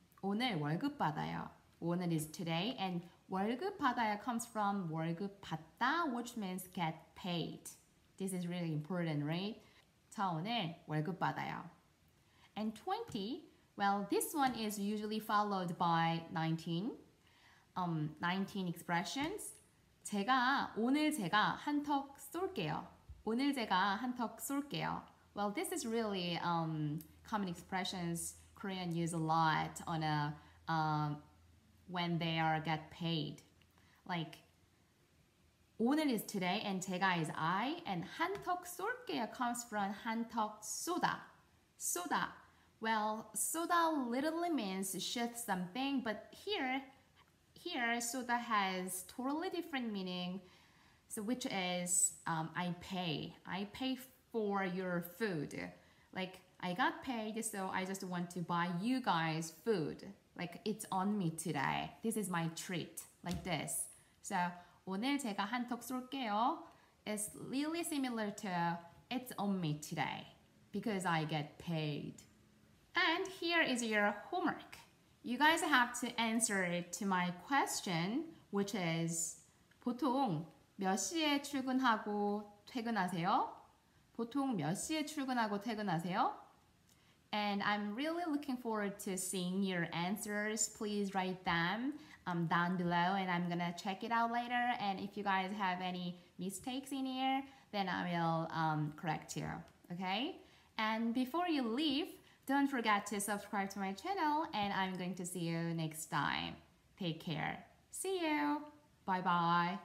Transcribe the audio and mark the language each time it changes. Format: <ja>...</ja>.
<ko>오늘 월급 받아요.</ko> <en>오늘 is today, and 월급 받아야 comes from 월급 받다, which means get paid. This is really important, right?</en> <ko>자, 오늘 월급 받아요.</ko> <en>And 20, well, this one is usually followed by 19 expressions.</en> <ko>제가 오늘 제가 한턱 쏠게요. 오늘 제가 한턱 쏠게요.</ko> <en>Well, this is really common expressions Korean use a lot on a when they are get paid. Like, 오늘 is today, and 제가 is I, and 한턱 쏠게요 comes from 한턱 쏘다. 쏘다. Well, 쏘다 literally means shoot something, but here 쏘다has totally different meaning, so which is I pay for your food. Like, I got paid, so I just want to buy you guys food. Like, it's on me today. This is my treat. Like this.</en> <ko>So, 오늘 제가 한턱 쏠게요.</ko> <en>It's really similar to it's on me today. Because I get paid. And here is your homework. You guys have to answer it to my question, which is</en> <ko>보통 몇 시에 출근하고 퇴근하세요? 보통 몇 시에 출근하고 퇴근하세요?</ko> <en>And I'm really looking forward to seeing your answers. Please write them down below, and I'm gonna check it out later. And if you guys have any mistakes in here, then I will correct you, okay? And before you leave, don't forget to subscribe to my channel, and I'm going to see you next time. Take care. See you. Bye-bye.</en>